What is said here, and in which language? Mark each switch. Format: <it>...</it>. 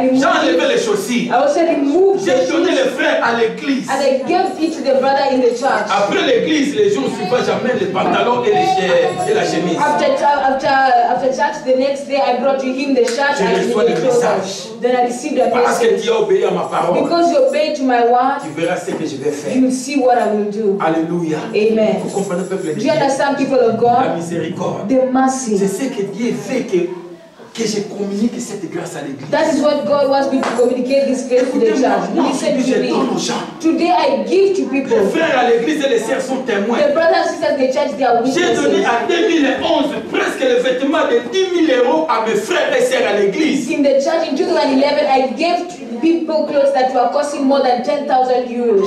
<fr>J'ai enlevé les chaussures.</fr> <en>I also removed.</en> <fr>J'ai donné le frère à l'église.</fr> <en>And I gave it to the brother in the church.</en> <fr>Après l'église, les jours suivants, j'amène les pantalons et les et la chemise.</fr> <en>After church, the next day, I brought to him the shirt.</en> <fr>Je reçois le message.</fr> <en>Then I received the message.</en> <fr>Parce que tu as obéi à ma parole.</fr> <en>Because you obeyed to my word.</en> <fr>Tu verras ce que je vais faire.</fr> <en>You will see what I will do.</en> <fr>Alléluia. Amen. Vous comprenez le peuple de</fr> <en>Dieu. Do you understand people of God?</en> <fr>La miséricorde.</fr> <en>The mercy.</en> <fr>Je sais que Dieu fait que je communique cette grâce à l'église.</fr> <en>That is what God wants me to communicate this grace to the church. Listen to me. Today I give to people.</en> <fr>Les frères à l'église et les sœurs sont témoins.</fr> <en>The brothers and sisters in the church, they are witnesses.</en> <fr>J'ai donné à 2011 presque le vêtement de 10,000 euros à mes frères et sœurs à l'église.</fr> <en>In the church in 2011, I gave to people clothes that were costing more than 10,000 euros.</en>